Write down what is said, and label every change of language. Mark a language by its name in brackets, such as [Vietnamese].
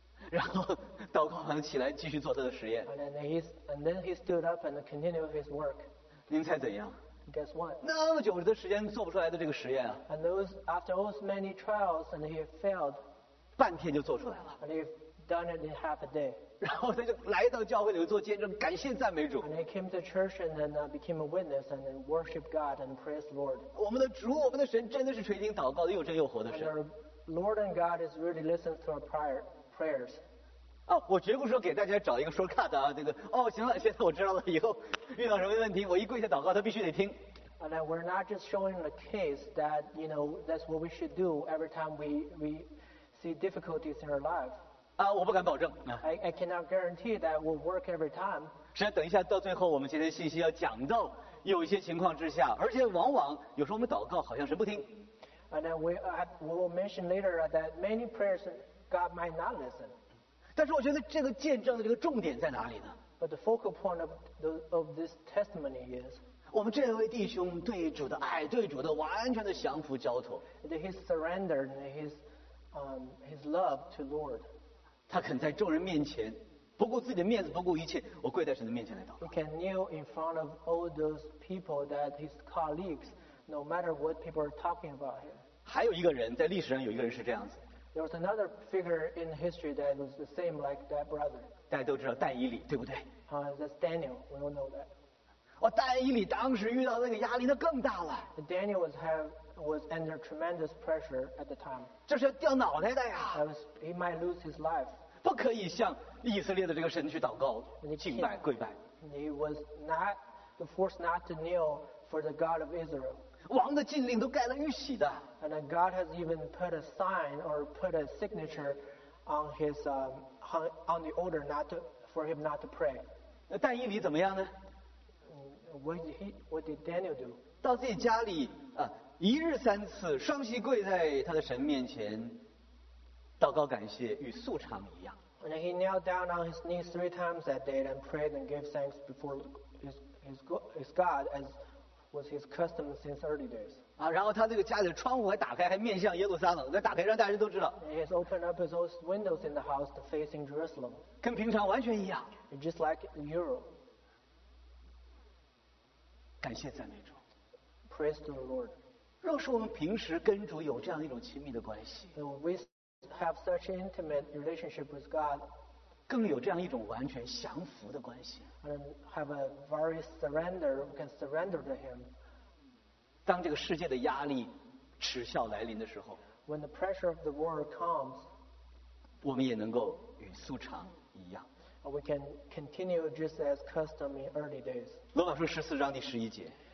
[Chinese] 然后祷告完起来继续做他的实验。 [English] And then he stood up and continued his work. [Chinese] 您猜怎样？ [English] Guess what? [Chinese] 那么久的时间做不出来的这个实验啊。 [English] And those after all those many trials and he failed. [Chinese] 半天就做出来了。 [English] And he done it in half a day. [Chinese] 然后他就来到教会里做见证，感谢赞美主。 [English] And he came to church and then became a witness and worshiped God and praised the Lord. [Chinese] 我们的主，我们的神真的是垂听祷告的又真又活的神。 [English] And our Lord and God is really listening to our prayers. [Chinese] 哦，我绝不说给大家找一个说卡的啊，这个哦，行了，现在我知道了，以后遇到什么问题，我一跪下祷告，他必须得听。 [English] And we're not just showing the case that you know that's what we should do every time we see difficulties in our life. [Chinese] 啊，我不敢保证。啊、 [English] I cannot guarantee that will work every time. [Chinese] 实际上，等一下到最后，我们今天信息要讲到有一些情况之下，而且往往有时候我们祷告好像是不听。 [English] And then we will mention later that many prayers God might not listen. [Chinese] 但是我觉得这个见证的这个重点在哪里呢？ [English] But the focal point of this testimony is [Chinese] 我们这位弟兄对主的爱，对主的完全的降服交托。 [English] That he surrendered his love to Lord. [Chinese] 他肯在众人面前，不顾自己的面子，不顾一切，我跪在神的面前来祷告。 [English] He can kneel in front of all those people that his colleagues. No matter what people are talking about him. [Chinese] 还有一个人在历史上有一个人是这样子。 [English] There was another figure in history that was the same like that brother. [Chinese] 大家都知道但以理，对不对？ [English] That's Daniel. We all know that. [Chinese] 哦，但以理当时遇到那个压力，那更大了。 [English] Daniel was under tremendous pressure at the time. [Chinese] 这是要掉脑袋的呀。 [English] He might lose his life. [Chinese] 不可以向以色列的这个神去祷告、敬拜、跪拜。 [English] He was not forced not to kneel. For the God of Israel. [Chinese] 王的禁令都盖了玉玺的。 [English] And God has even put a sign or put a signature on his on the order not to for him not to pray. [Chinese] 但以理怎么样呢？ [English] What did Daniel do? [Chinese] 到自己家里啊，一日三次双膝跪在他的神面前，祷告感谢，与素常一样。 [English] And he knelt down on his knees three times that day and prayed and gave thanks before his God as was his custom since early days. [Chinese] 啊，然后他这个家里的窗户还打开，还面向耶路撒冷，那打开让大家都知道。 [English] He has opened up his old windows in the house to facing Jerusalem. [Chinese] 跟平常完全一样。 [English] Just like in Europe. [Chinese] 感谢赞美主。 [English] Praise to the Lord. [Chinese] 若是我们平时跟主有这样一种亲密的关系 [English] ，So we have such an intimate relationship with God. [Chinese] 更有这样一种完全降服的关系。 [English] And have a very surrender, we can surrender to him. [Chinese] 当这个世界的压力耻笑来临的时候 [English] ，When the pressure of the world comes, [Chinese] 我们也能够与素常一样。 [English] We can continue just as custom in early days. [Chinese] 罗马书十四章第十一节。